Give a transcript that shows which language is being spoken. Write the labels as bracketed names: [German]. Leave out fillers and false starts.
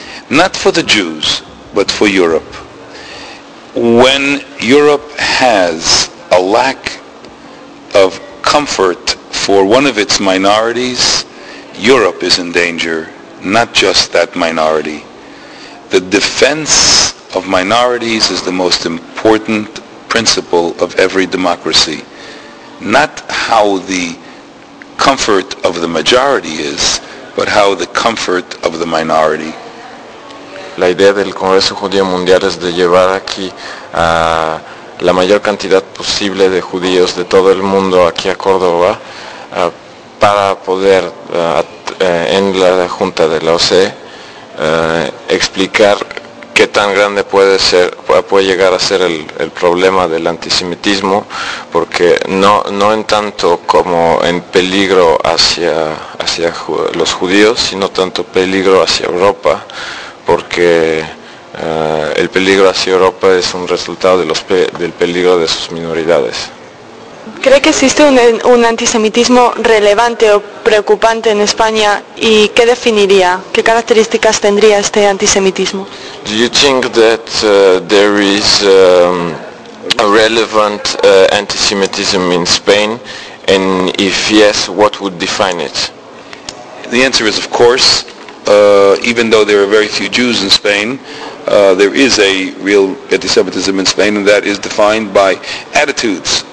[English] Not for the Jews, but for Europe. When Europe has a lack of comfort for one of its minorities, Europe is in danger, not just that minority. The defense of minorities is the most important principle of every democracy. Not how the comfort of the majority is, but how the comfort of the minority. [Spanish] La idea del Congreso Judío Mundial es de llevar aquí a la mayor cantidad posible de judíos de todo el mundo aquí a Córdoba para poder en la junta de la OCE explicar qué tan grande puede llegar a ser el problema del antisemitismo, porque no en tanto como en peligro hacia los judíos, sino tanto peligro hacia Europa, porque el peligro hacia Europa es un resultado de del peligro de sus minoridades. ¿Cree que existe un antisemitismo relevante o preocupante en España, y qué definiría, qué características tendría este antisemitismo? [English] Do you think that there is a relevant antisemitism in Spain, and if yes, what would define it? The answer is of course, even though there are very few Jews in Spain, there is a real antisemitism in Spain, and that is defined by attitudes.